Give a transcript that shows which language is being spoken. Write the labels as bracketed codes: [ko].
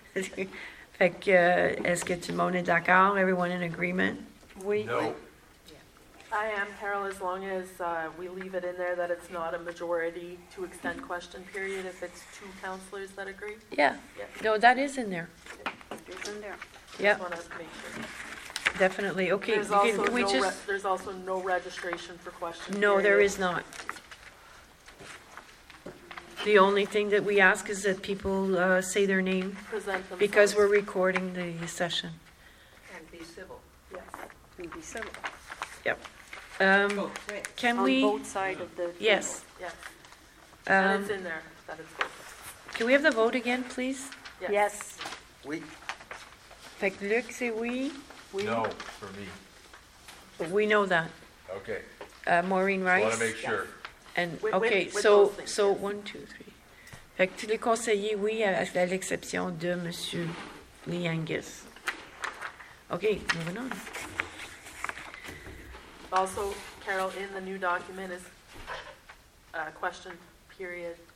[fr] Fait que, est-ce que tout le monde est d'accord? [en] Everyone in agreement? [fr] Oui. [en] No. I am, Carol, as long as we leave it in there that it's not a majority to extend question period, if it's two councillors that agree. Yeah. Yep. No, that is in there. It's in there. Yeah. Just want to make sure. Definitely. Okay. There's also no registration for question period. No, there is not. The only thing that we ask is that people say their name. Present themselves. Because we're recording the session. And be civil. Yes. And be civil. Yep. Can on we on both sides of the table. Yes. Yes. And it's in there. That is good. Can we have the vote again, please? Yes. [fr] Oui. Fait que Luc, c'est oui. Oui. [en] No, for me. We know that. Okay. Maureen Rice. Want to make sure. Yes. And okay, with 1, 2, 3. [fr] Fait que tous les conseillers, oui, à l'exception de Monsieur Lee Angus. [en] Okay, moving on. Also, Carol, in the new document is a question period.